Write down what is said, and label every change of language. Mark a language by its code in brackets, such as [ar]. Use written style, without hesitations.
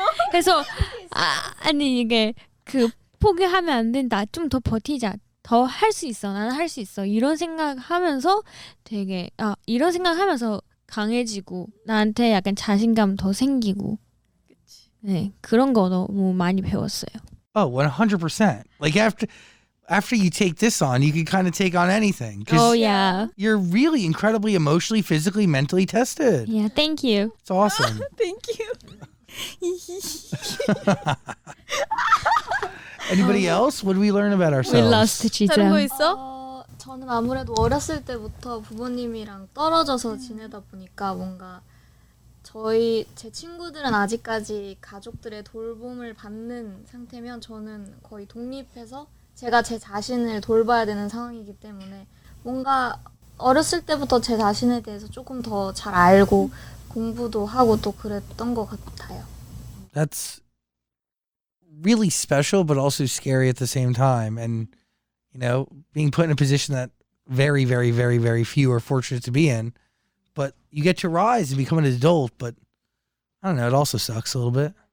[ko] 그래서 아니 이게 그 포기하면 안 된다. 좀 더 버티자. 더 할 수 있어. 나는 할 수 있어. 이런 생각하면서 되게 아 이런 생각하면서 강해지고 나한테 약간 자신감 더 생기고 그치. 네 그런 거 너무 많이 배웠어요. [en] Oh, 100%. Like after you take this on, you can kind of take on anything. Oh yeah. You're really incredibly emotionally, physically, mentally tested. Yeah, thank you. It's awesome. Thank you. Anybody else? What did we learn about ourselves? We lost the cheetah. [ko] 다른 거 있어? 저는 아무래도 어렸을 때부터 부모님이랑 떨어져서 지내다 보니까 뭔가 제 친구들은 아직까지 가족들의 돌봄을 받는 상태면 저는 거의 독립해서 제가 제 자신을 돌봐야 되는 상황이기 때문에 뭔가 어렸을 때부터 제 자신에 대해서 조금 더 잘 알고 공부도 하고 또 그랬던 것 같아요. [en] That's really special but also scary at the same time and you know being put in a position that very very very very few are fortunate to be in but you get to rise and become an adult but I don't know it also sucks a little bit.